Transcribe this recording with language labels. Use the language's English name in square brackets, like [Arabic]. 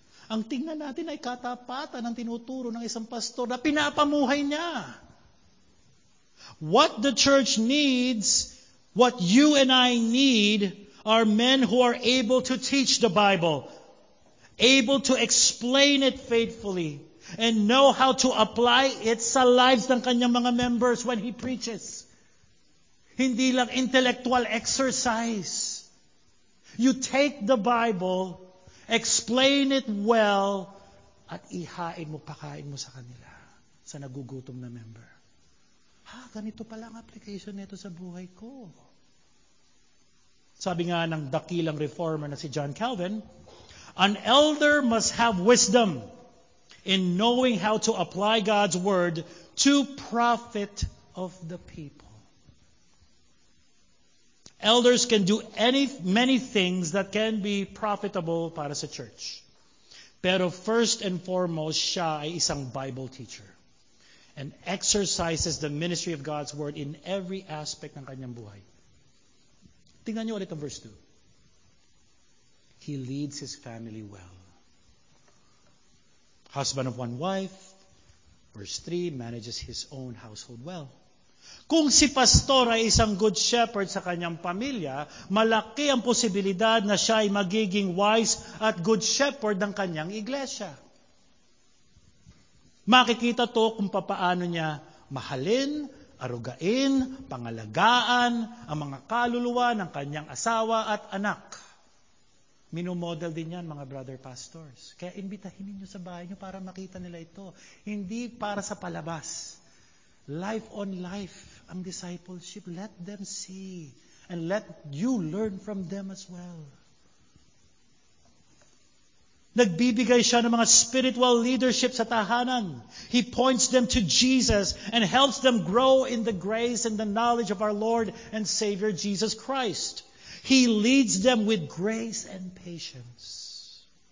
[Filipino] ang tingnan natin ay katapatan ng tinuturo ng isang pastor na pinapamuhay niya. [English] What the church needs, what you and I need, are men who are able to teach the Bible, able to explain it faithfully, and know how to apply it sa lives ng kanyang mga members when he preaches. [Filipino] Hindi lang intellectual exercise. You take the Bible, explain it well, at ihain mo, pakain mo sa kanila, sa nagugutom na member. Ha, ganito pala ang application nito sa buhay ko. [English] Sabi nga ng dakilang reformer na si John Calvin, an elder must have wisdom in knowing how to apply God's word to profit of the people. Elders can do many things that can be profitable para sa church. Pero first and foremost, siya ay isang Bible teacher and exercises the ministry of God's Word in every aspect ng kanyang buhay. [Filipino] Tingnan niyo ulit ang verse 2. [English] He leads his family well. Husband of one wife, verse 3, manages his own household well. [Filipino] Kung si pastor ay isang good shepherd sa kanyang pamilya, malaki ang posibilidad na siya ay magiging wise at good shepherd ng kanyang iglesia. Makikita to kung papaano niya mahalin, arugain, pangalagaan ang mga kaluluwa ng kanyang asawa at anak. Minomodel din yan, mga brother pastors. Kaya imbitahin ninyo sa bahay niyo para makita nila ito. Hindi para sa palabas. [English] Life on life, ang discipleship, let them see and let you learn from them as well. [Filipino] Nagbibigay siya ng mga spiritual leadership sa tahanan. [English] He points them to Jesus and helps them grow in the grace and the knowledge of our Lord and Savior Jesus Christ. He leads them with grace and patience.